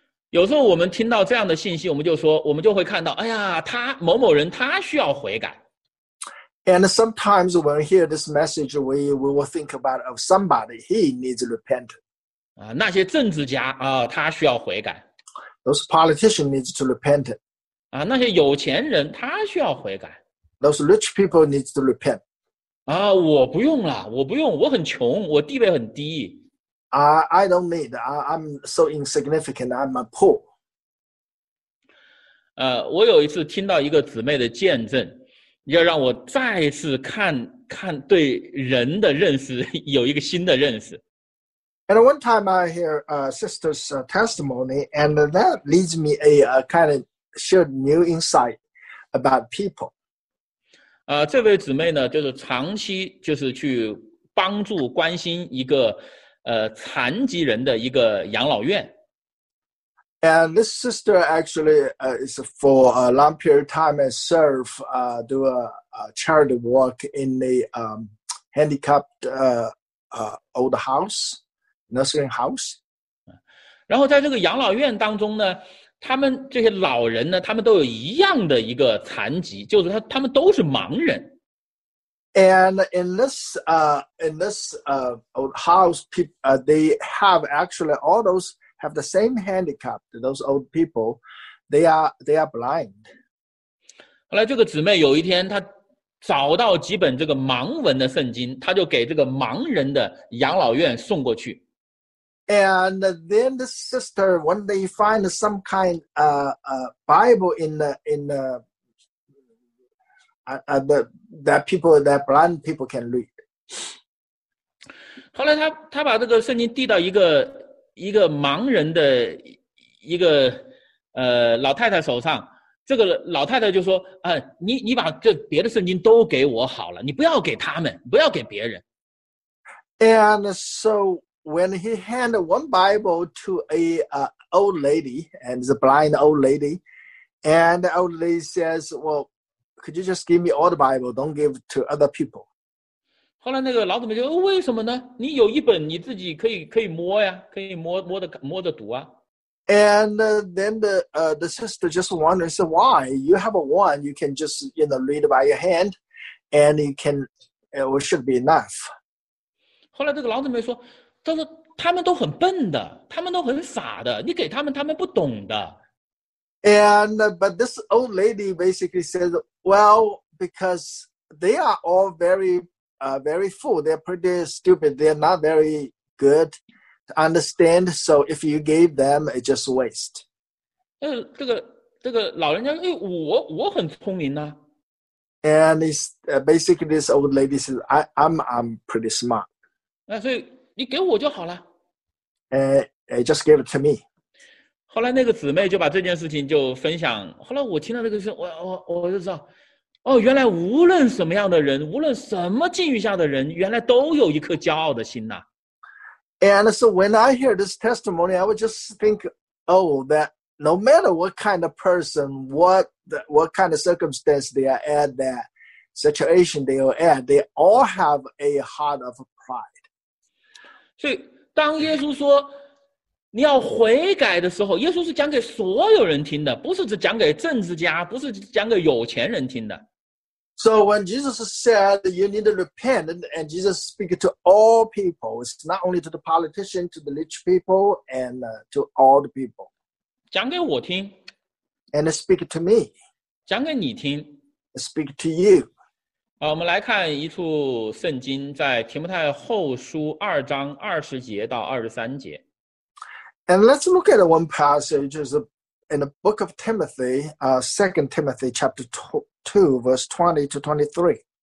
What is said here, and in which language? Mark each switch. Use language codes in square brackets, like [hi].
[zh] 有时候我们听到这样的信息，我们就说，我们就会看到，哎呀，他某某人他需要悔改。 [en] And sometimes when we hear this message, we will think about of somebody, he needs repentance. [zh] 那些政治家啊，他需要悔改。 [en] Those politicians need to repent. [zh] 那些有钱人他需要悔改。 [en] Those rich people need to repent. [zh] 我不用了，我不用，我很穷，我地位很低。 [en] I don't need, I'm so insignificant, I'm a poor. [zh] 我有一次听到一个姊妹的见证，要让我再次看对人的认识，有一个新的认识。 [en] And one time I hear a sister's testimony, and that leads me a kind of shared new insight about people. [zh] 这位姊妹呢，就是长期就是去帮助关心一个残疾人的一个养老院。 [en] And this sister actually is for a long period of time and serve do a charity work in the handicapped old house, nursing house. [zh] 然后在这个养老院当中呢，他们这些老人呢，他们都有一样的一个残疾，就是他们都是盲人。 [en] And in this old house, they have actually all those have the same handicap. Those old people, they are blind. [zh] 后来这个姊妹有一天，她找到几本这个盲文的圣经，她就给这个盲人的养老院送过去。 [en] And then the sister, when they find some kind Bible in the that people that blind people can read. [zh] 后来他把这个圣经递到一个盲人的一个老太太手上，这个老太太就说：“你把这别的圣经都给我好了，你不要给他们，不要给别人。” [en] And so when he handed one Bible to a old lady and the blind old lady, and the old lady says, "Well,could you just give me all the Bible? Don't give to other people." [zh] 后来那个老姊妹就说：“为什么呢？你有一本，你自己可以摸呀，可以摸着读啊。” [en] And then the sister just wondered, said, "Why? You have one, you can just read by your hand, and you can it should be enough." [zh] 后来这个老姊妹说：“她说他们都很笨的，他们都很傻的，你给他们不懂的。” [en] And but this old lady basically said,Well, because they are all very, very full. They're pretty stupid. They're not very good to understand. So if you gave them, it's just waste. [zh] 这个老人家，我很聪明啊。 [en] And it's, basically this old lady says, I'm pretty smart. [zh] 所以你给我就好了。 [en] Just give it to me. [zh] 后来那个姊妹就把这件事情就分享，后来我听到那个事，我就知道，原来无论什么样的人，无论什么境遇下的人，原来都有一颗骄傲的心呐。 [en] And so when I hear this testimony, I would just think, oh, that no matter what kind of person, what kind of circumstance they are at, that situation they are at, they all have a heart of pride. [zh] 所以当耶稣说你要悔改的时候，耶稣是讲给所有人听的，不是只讲给政治家，不是讲给有钱人听的。 [en] So when Jesus said you need to repent, and Jesus speak to all people, it's not only to the politician, to the rich people, and to all the people. [zh] 讲给我听。 [en] And speak to me. [zh] 讲给你听。 [en] Speak to you. [zh] 我们来看一处圣经，在提摩太后书二章二十节到二十三节。 [en] And let's look at one passage in the book of Timothy, 2 Timothy chapter 2, verse 20 to 23.